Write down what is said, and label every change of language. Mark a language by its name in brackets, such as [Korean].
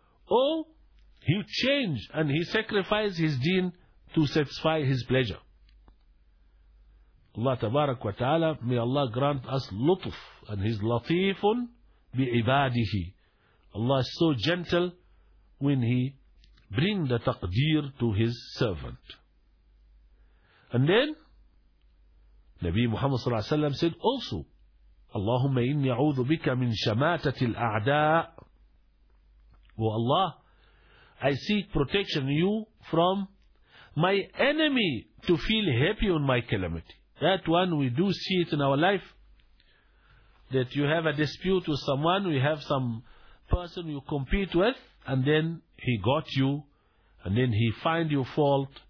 [English] Oh, he changed and he sacrificed his deen to satisfy his pleasure. [Arabic] الله تبارك وتعالى [English] may Allah grant us لطف and he's [Arabic] لطيف بعباده. [English] Allah is so gentle when he bring the taqdeer to his servant. And then [Arabic] Nabi Muhammad صلى الله عليه وسلم [English] said also [Arabic] اللهم إني أعوذ بك من شماتة الأعداء. [English] Oh Allah, I seek protection you from my enemy to feel happy on my calamity. That one we do see it in our life. That you have a dispute with someone, we have some person you compete with, and then he got you, and then he find your fault.